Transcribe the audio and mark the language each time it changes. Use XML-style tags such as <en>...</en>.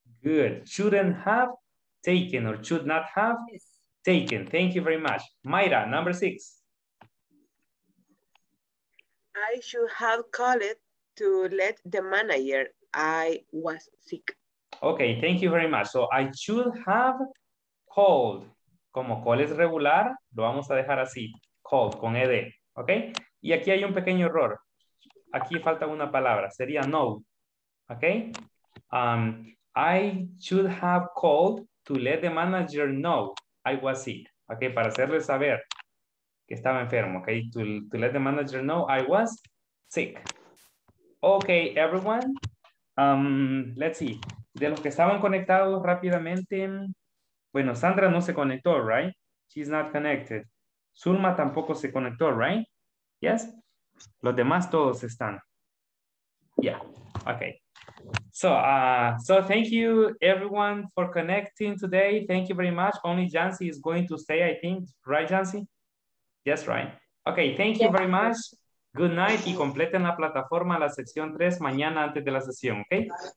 <en>Good, shouldn't have taken or should not have taken. Thank you very much. Mayra, number six. I should have called to let the manager I was sick. Okay, thank you very much. So I should have called.</en> <es>Como call es regular, lo vamos a dejar así. Called, con ed. Okay? Y aquí hay un pequeño error. Aquí falta una palabra. Sería no. Okay?</es> <en>I should have called to let the manager know I was sick. Okay?</en> <es>Para hacerle saber que estaba enfermo.</es> <en>Okay? To let the manager know I was sick. Okay, everyone. Let's see,</en> <es>de los que estaban conectados rápidamente, bueno, Sandra no se conectó, right?</es> <en>She's not connected.</en> <es>Zulma tampoco se conectó, right? Yes? Los demás todos están. Yeah, okay.</es> <en>So thank you everyone for connecting today. Thank you very much. Only Jancy is going to stay, I think. Right, Jancy? Yes, right. Okay, thank you very much. Good night</en> <es>y completen la plataforma la sección 3 mañana antes de la sesión, ¿okay?</es>